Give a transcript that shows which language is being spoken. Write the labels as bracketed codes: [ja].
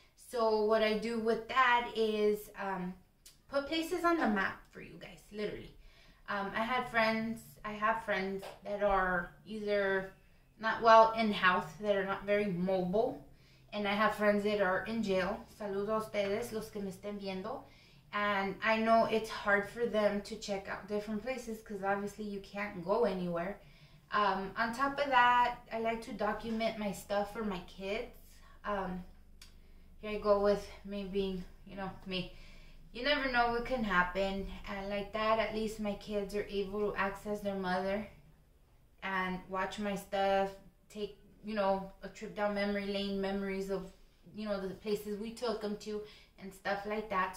[en] So what I do with that is put places on the map for you guys, literally. I have friends that are either not well in health, that are not very mobile. And I have friends that are in jail. [es] Saludos a ustedes, los que me estén viendo. [en] And I know it's hard for them to check out different places because obviously you can't go anywhere. On top of that, I like to document my stuff for my kids. Here I go with me being, you know, me. You never know what can happen. And like that, at least my kids are able to access their mother and watch my stuff, take, you know, a trip down memory lane, memories of, you know, the places we took them to and stuff like that.